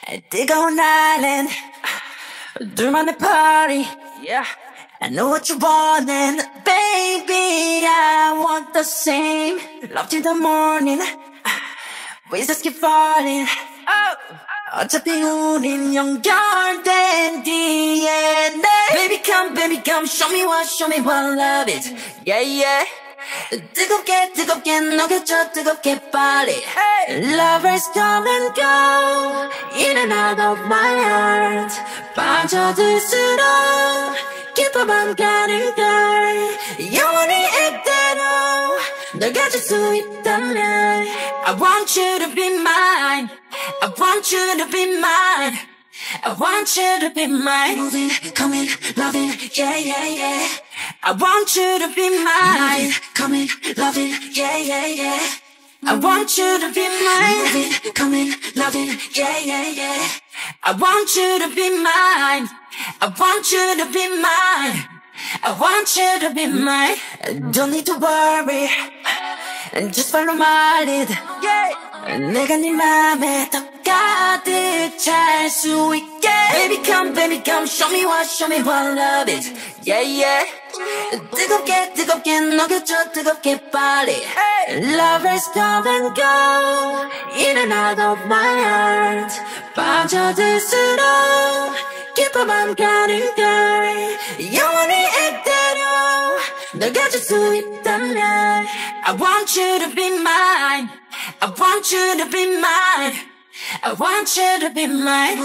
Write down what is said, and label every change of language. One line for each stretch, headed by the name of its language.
English: Dig on island, do my party, yeah. I know what you want, and baby, I want the same. Love till the morning, we just keep falling. Oh, oh.
Korean: 어차피 우린 연결된 DNA.
English: Baby, come, show me what love is. Yeah, yeah.
Korean: 뜨겁게, 뜨겁게 녹여줘, 뜨겁게 빨리. Hey.
English: Lovers come and go, in and out of my heart.
Korean: 빠져들수록 깊어 밤 가는 걸 영원히 이대로 널 가질 수 있다면
English: I want you to be mine, I want you to be mine, I want you to be mine. Moving, coming, loving, yeah, yeah, yeah. I want you to be mine. Moving, coming, loving, yeah, yeah, yeah. I want you to be mine. Moving, coming, loving, yeah, yeah, yeah. I want you to be mine. I want you to be mine. I want you to be mine. Don't need to worry. Just follow my lead. Yeah.
Korean: 내가 네 맘에 딱 가득 찰 수 있게.
English: Baby, come, show me what love is. Yeah, yeah.
Korean: 뜨겁게, 뜨겁게 녹여줘, 뜨겁게 빨리. Hey.
English: Lovers come and go, in and out of my heart.
Korean: 빠져들수록 깊어 밤 가는 걸 영원히 이대로 널 가질 수 있다면
English: I want you to be mine, I want you to be mine, I want you to be mine.